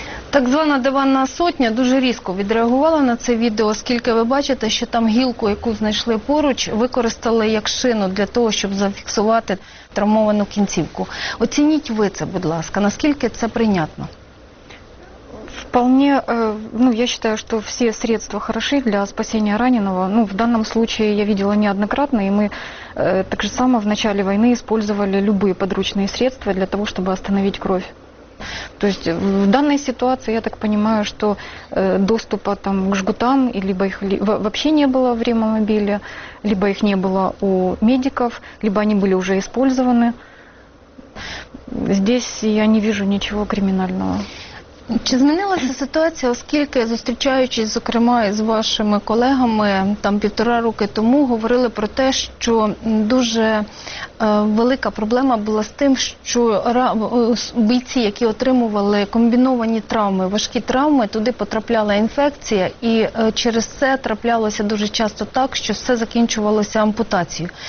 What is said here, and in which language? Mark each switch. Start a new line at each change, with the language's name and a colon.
Ukrainian: Так звана диванна сотня дуже різко відреагувала на це відео, оскільки ви бачите, що там гілку, яку знайшли поруч, використали як шину для того, щоб зафіксувати травмовану кінцівку. Оцініть ви це, будь ласка, наскільки це прийнятно?
Russian: Вполне, ну, я считаю, что все средства хороши для спасения раненого. Ну, в данном случае я видела неоднократно, и мы так же само в начале войны использовали любые подручные средства для того, чтобы остановить кровь. То есть в данной ситуации, я так понимаю, что доступа там, к жгутам, либо их вообще не было в реанимобиле, либо их не было у медиков, либо они были уже использованы. Здесь я не вижу ничего криминального.
Ukrainian: Чи змінилася ситуація, оскільки, зустрічаючись, зокрема, з вашими колегами там півтора роки тому, говорили про те, що дуже велика проблема була з тим, що бійці, які отримували комбіновані травми, важкі травми, туди потрапляла інфекція, і через це траплялося дуже часто так, що все закінчувалося ампутацією.